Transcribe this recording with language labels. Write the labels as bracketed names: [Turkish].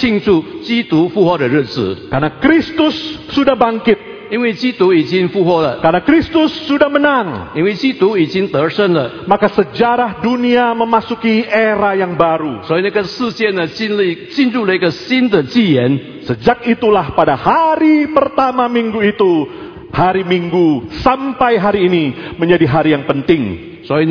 [Chinese] 因为跟随基督的人，他们就在这个七日的头一天庆祝基督复活的日子。 [Indonesian] Karena Kristus sudah bangkit. [Chinese] 因为基督已经复活了, [Indonesian] karena Kristus sudah menang, [Chinese] 因为基督已经得胜了, [Indonesian] maka sejarah dunia memasuki era yang baru. [Chinese] 所以那个世界呢, 进入了一个新的纪元。 [Indonesian] Sejak itulah pada hari pertama minggu itu, hari Minggu sampai hari ini menjadi hari yang penting.